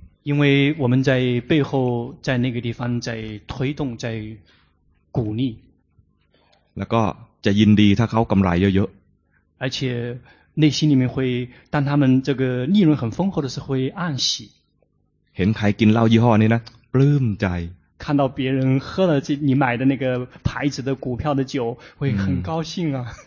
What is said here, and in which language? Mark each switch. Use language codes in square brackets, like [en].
[zh] 因为我们在背后在那个地方在推动在鼓励 [th] แล้วก็จะยินดีถ้าเขากำไรเยอะ [zh] ๆ而且内心里面会当他们这个利润很丰厚的时候会暗喜 [th] เห็นใครกินเหล้ายี่ห้อนี้นะปลื้มใจ [zh] 看到别人喝了这你买的那个牌子的股票的酒会很高兴啊